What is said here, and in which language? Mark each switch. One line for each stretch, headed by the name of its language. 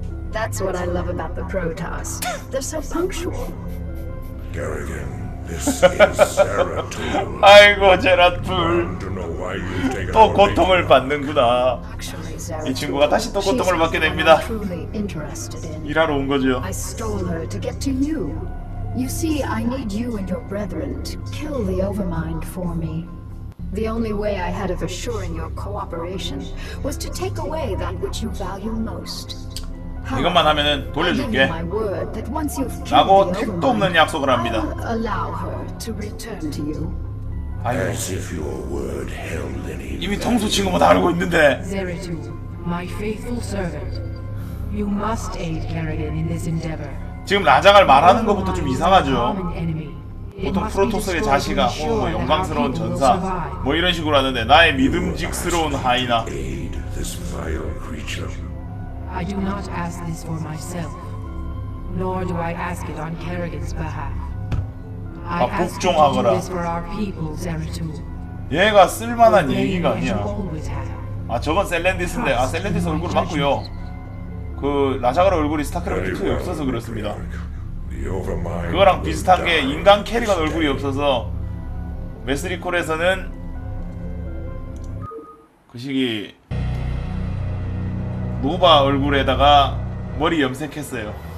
English: That's what I love about the Protoss. They're so punctual. Kerrigan, this is
Korean: Zeratul. 아이고, 제라툴. 또 고통을 받는구나. 이 친구가 다시 또 고통을 받게 됩니다. 일하러 온 거죠.
English: I stole her to get to you. You see, I need you and your brethren to kill the Overmind for me. The only way I had of assuring your cooperation was to take away that which you value most.
Korean: 이것만 하면은 돌려줄게. 라고 택도 없는 약속을 합니다.
English: I'll allow her to return to you. As if your word held any.
Korean: 이미 통수 친 것만 알고 있는데.
English: Zeratul, my faithful servant, you must aid Kerrigan in this endeavor.
Korean: 지금 라자갈 말하는 것부터 좀 이상하죠. 보통 프로토스의 자식아, 뭐 영광스러운 전사, 뭐 이런 식으로 하는데 나의 믿음직스러운 하이나.
English: I do not ask this for myself, nor do I ask it on Kerrigan's behalf. I ask you to do this for our people, Zeratul.
Korean: 얘가 쓸만한 얘기가 아니야. 아, 저건 셀렌디스인데, 아 셀렌디스 얼굴 맞고요. 그 라자갈 얼굴이 스타크래프트 2에 없어서 그렇습니다. 그거랑 비슷한 게 인간 캐릭터 얼굴이 없어서 메스리콜에서는 그 시기 노바 얼굴에다가 머리 염색했어요.